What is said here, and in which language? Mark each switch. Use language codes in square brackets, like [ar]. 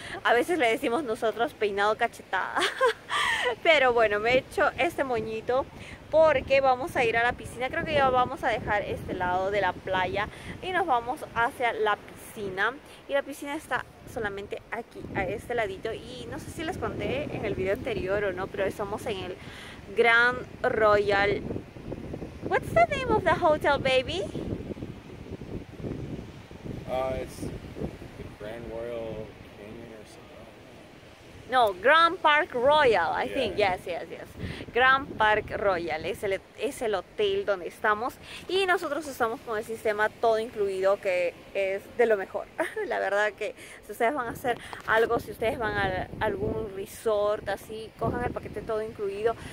[es] A veces le decimos nosotros peinado cachetada. Pero bueno, me he hecho este moñito porque vamos a ir a la piscina. Creo que ya vamos a dejar este lado de la playa y nos vamos hacia la piscina. Y la piscina está solamente aquí, a este ladito, y no sé si les conté en el video anterior o no, pero estamos en el Grand Royal. [en] What's the name of the hotel, baby? It's the Grand Royal Canyon or something. No, Grand Park Royal, I think. Yes. [es] Grand Park Royal es el hotel donde estamos y nosotros estamos con el sistema todo incluido, que es de lo mejor. La verdad que si ustedes van a hacer algo, si ustedes van a algún resort así, cojan el paquete todo incluido.